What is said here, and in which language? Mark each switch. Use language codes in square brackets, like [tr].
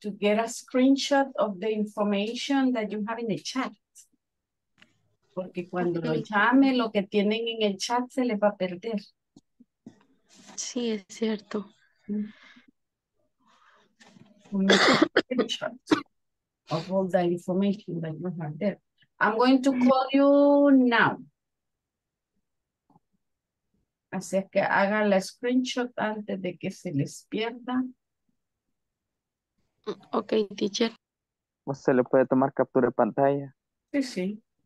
[en] To get a screenshot of the information that you have in the chat. [es] Porque cuando lo llame, lo que tienen en el chat se les va a perder. Sí, es cierto. [en] Of all the information that you have there. I'm going to call you now. [es] Así es que haga la screenshot antes de que se les pierda. [en] Ok, teacher. [es] ¿O se le puede tomar captura de pantalla? Sí, sí.